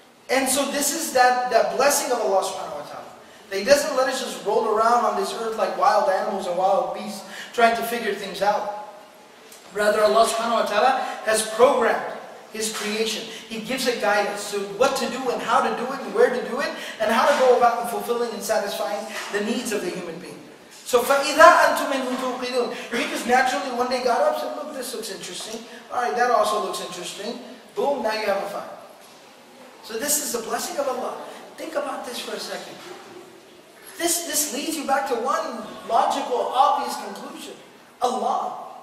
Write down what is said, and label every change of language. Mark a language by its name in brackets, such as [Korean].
[English] And so this is that blessing of Allah subhanahu wa ta'ala. He doesn't let us just roll around on this earth like wild animals and wild beasts trying to figure things out. Rather, Allah subhanahu wa ta'ala has programmed His creation. He gives it guidance to what to do and how to do it and where to do it and how to go about fulfilling and satisfying the needs of the human being. [Arabic] So, فَإِذَا أَنْتُمْ مِنْهُ تُوْقِدُونَ. [English] He just naturally one day got up and said, look, this looks interesting. Alright, that also looks interesting. Boom, now you have a fire. So this is the blessing of Allah. Think about this for a second. This leads you back to one logical, obvious conclusion. Allah.